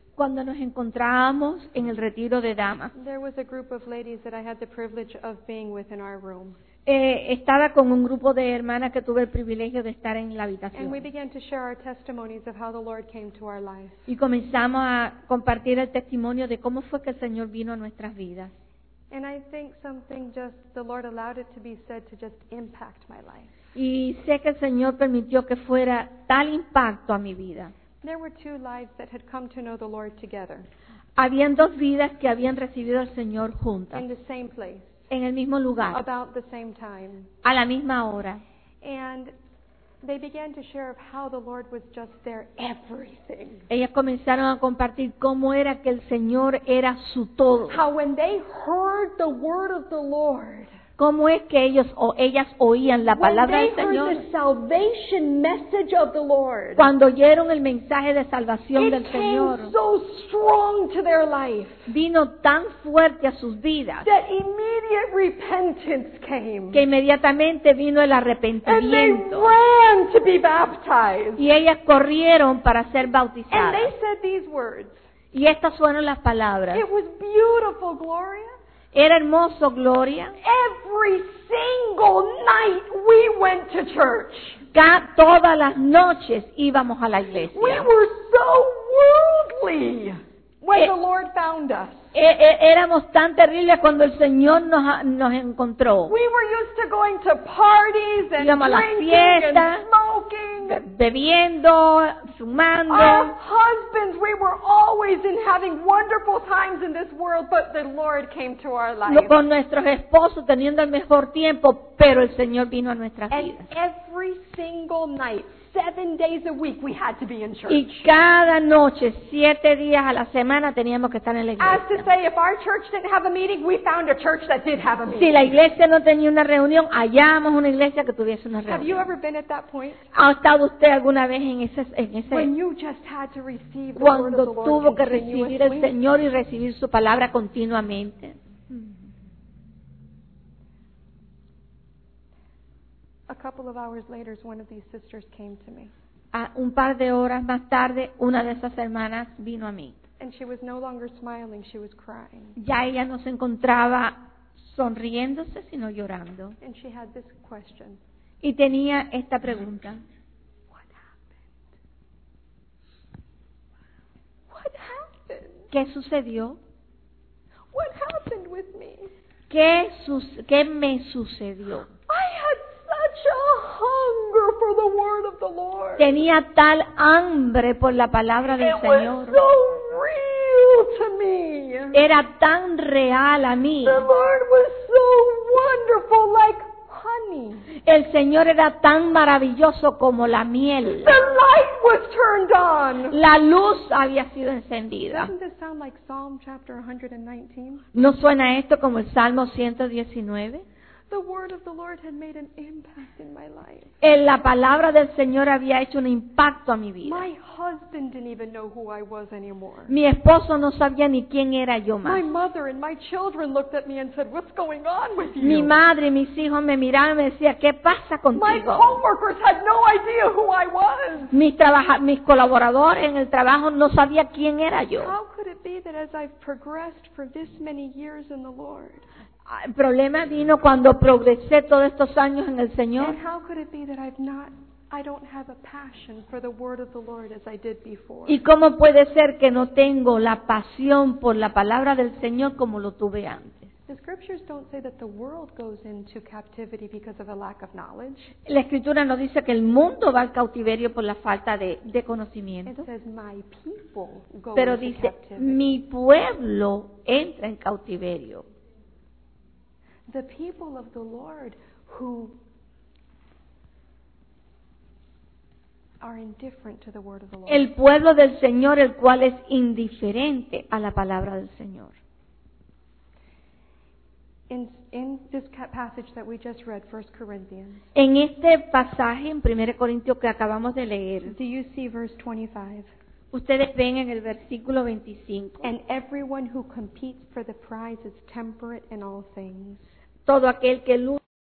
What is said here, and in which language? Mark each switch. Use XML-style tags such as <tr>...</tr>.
<es>Cuando nos encontrábamos en el retiro de damas.</es> <en>There was a group of ladies that I had the privilege of being with in our room.</en> <es>Estaba con un grupo de hermanas que tuve el privilegio de estar en la habitación.</es> <en>And we began to share our testimonies of how the Lord came to our lives.</en> <es>Y comenzamos a compartir el testimonio de cómo fue que el Señor vino a nuestras vidas.</es> <en>And I think something just the Lord allowed it to be said to just impact my life.</en> <es>Y sé que el Señor permitió que fuera tal impacto a mi vida.</es> <en>There were two lives that had come to know the Lord together.</en> <es>Habían dos vidas que habían recibido al Señor juntas.</es> <en>In the same place.</en> <es>En el mismo lugar.</es> <en>About the same time.</en> <es>A la misma hora.</es> <en>And they began to share of how the Lord was just their everything.</en> <es>Ellas comenzaron a compartir cómo era que el Señor era su todo.</es> <en>How when they heard the word of the Lord.</en> <es>Cómo es que ellos o ellas oían la palabra del Señor.</es> <en>When they heard the salvation message of the Lord.</en> <es>Cuando oyeron el mensaje de salvación del Señor.</es> <en>It came so strong to their life.</en> <es>Vino tan fuerte a sus vidas.</es> <en>That immediate repentance came.</en> <es>Que inmediatamente vino el arrepentimiento.</es> <en>And they ran to be baptized.</en> <es>Y ellas corrieron para ser bautizadas.</es> <en>And they said these words.</en> <es>Y estas fueron las palabras.</es> <en>It was beautiful, glorious.</en> <es>Era hermoso, Gloria.</es> <en>Every single night we went to church.</en> <es>Todas las noches íbamos a la iglesia.</es> <en>We were so worldly when the Lord found us.</en> <es>Éramos tan terribles cuando el Señor nos encontró.</es> <en>We were used to going to parties and</en> <es>íbamos a las fiestas,</es> <en>and smoking.</en> <es>Bebiendo, fumando.</es> <en>Our husbands, we were always in having wonderful times in this world, but the Lord came to our lives.</en> <es>Con nuestros esposos teniendo el mejor tiempo, pero el Señor vino a nuestras</es> <en>and</en> <es>vidas.</es> <en>Every single night, 7 days a week, we had to be in church.</en> <es>Y cada noche, 7 días a la semana, teníamos que estar en la iglesia.</es> <en>As to say, if our church didn't have a meeting, we found a church that did have a meeting.</en> <es>Si la iglesia no tenía una reunión, hallamos una iglesia que tuviese una reunión.</es> <en>Have you ever been at that point?</en> <es>¿Ha estado usted alguna vez en ese?</es> <en>When you just had to receive the</en> <es>cuando</es> <en>word of the Lord</en> <es>tuvo que recibir el Señor y recibir su palabra continuamente.</es> <en>A couple of hours later, one of these sisters came to me.</en> <es>Un par de horas más tarde, una de esas hermanas vino a mí.</es> <en>And she was no longer smiling, she was crying.</en> <es>Ya ella no se encontraba sonriéndose, sino llorando.</es> <en>And she had this question.</en> <es>Y tenía esta pregunta.</es> <en>What happened? What happened?</en> <es>¿Qué sucedió?</es> <en>What happened with me?</en> <es>¿Qué me sucedió?</es> <en>I had such a hunger for the word of the Lord.</en> <es>Tenía tal hambre por la palabra del Señor.</es> <en>It was so real to me.</en> <es>Era tan real a mí.</es> <en>The Lord was so wonderful, like honey.</en> <es>El Señor era tan maravilloso como la miel.</es> <en>The light was turned on.</en> <es>La luz había sido encendida.</es> <en>Doesn't this sound like Psalm chapter 119?</en> <es>¿No suena esto como el Salmo 119?</es> <en>The word of the Lord had made an impact in my life.</en> <es>En la palabra del Señor había hecho un impacto a mi vida.</es> <en>My husband didn't even know who I was anymore.</en> <es>Mi esposo no sabía ni quién era yo más.</es> <en>My mother and my children looked at me and said, "What's going on with you?"</en> <es>Mi madre y mis hijos me miraban y me decían, "¿Qué pasa contigo?"</es> <en>My coworkers had no idea who I was.</en> <es>Mis colaboradores en el trabajo no sabían quién era yo.</es> <en>How could it be that as I've progressed for this many years in the Lord?</en> <es>El problema vino cuando progresé todos estos años en el Señor.</es> <en>And how could it be that I've not, I don't have a passion for the word of the Lord as I did before?</en> <es>¿Y cómo puede ser que no tengo la pasión por la palabra del Señor como lo tuve antes?</es> <en>The scriptures don't say that the world goes into captivity because of a lack of knowledge.</en> <es>La escritura no dice que el mundo va al cautiverio por la falta de conocimiento.</es> <en>It says my people go.</en> <es>Pero dice</es> <en>captivity.</en> <es>Mi pueblo entra en cautiverio.</es> <en>The people of the Lord who are indifferent to the word of the Lord.</en> <es>El pueblo del Señor, el cual es indiferente a la palabra del Señor.</es> <en>In this passage that we just read, 1 Corinthians.</en> <es>En este pasaje en 1 Corintios que acabamos de leer.</es> <en>Do you see verse 25?</en> <es>Ustedes ven en el versículo 25.</es> <en>And everyone who competes for the prize is temperate in all things.</en> <es>Todo aquel que lucha.</es>